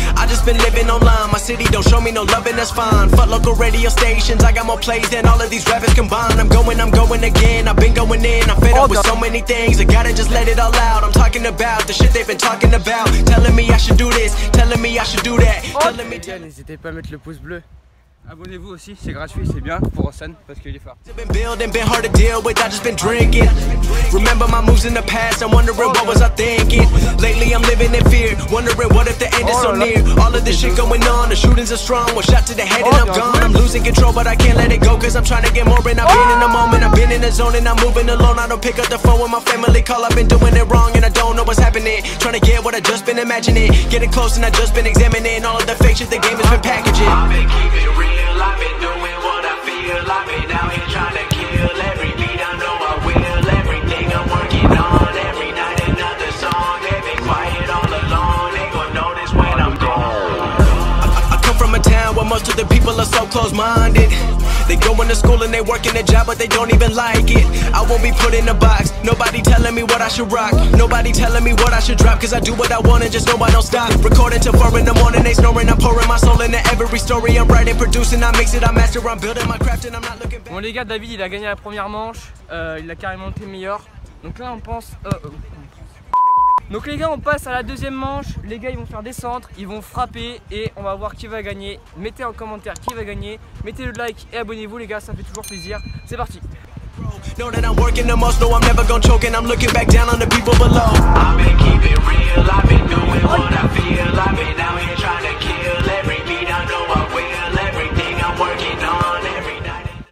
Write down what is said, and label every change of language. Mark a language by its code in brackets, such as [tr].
[en] I just been living online, my city don't show me no love and that's fine. Fuck local radio stations, I got more plays than all of these rappers combined. I'm going again, I've been going in, I'm fed up with so many things. I gotta just let it all out, I'm talking about the shit they've been talking about. Telling me I should do this, telling me I should do that. Telling me to... [fr] N'hésitez pas à mettre le pouce bleu. Abonnez-vous aussi, c'est gratuit, c'est bien pour Rossen parce qu'il est fort. [en] I've been building, been hard to deal with, I've just been drinking. Remember my moves in the past, I'm wondering what was I thinking. Lately I'm living in fear, wondering what if the end is so near. All of this shit going on, the shootings are strong, one shot to the head and I'm gone. I'm losing control but I can't let it go cause I'm trying to get more. And I've been in the moment, I've been in the zone and I'm moving alone. I don't pick up the phone when my family call, I've been doing it wrong. And I don't know what's happening, trying to get what I've just been imagining. Getting close and I've just been examining all of the fake shit the game has been packaging. I've been keeping real. I've been doing what I feel. I've been out here trying to kill every beat. I know I will. Everything I'm working on. Every night another song. They've been quiet all along. Ain't gonna notice when I'm gone. I come from a town where most of the people are so close-minded. They go into school and they work in a job but they don't even like it. I won't be put in a box, nobody telling me what I should rock. Nobody telling me what I should drop cause I do what I want and just know I don't stop. Recording till 4 in the morning, they snoring, I'm pouring my soul into every story. I'm writing, producing, I mix it, I master, I'm building my craft and I'm not looking back. [fr] Bon les gars, David il a gagné la première manche, il a carrément été meilleur. Donc là on pense... Donc les gars, on passe à la deuxième manche. Les gars, ils vont faire des centres, ils vont frapper et on va voir qui va gagner. Mettez en commentaire qui va gagner. Mettez le like et abonnez-vous les gars, ça fait toujours plaisir. C'est parti. [en] Know that I'm working the most, no I'm never gonna choke and I'm looking back down on the people below. I've been keeping real, I've been doing what I feel. I've been out here trying to kill every beat. I know I will, everything I'm working on every night.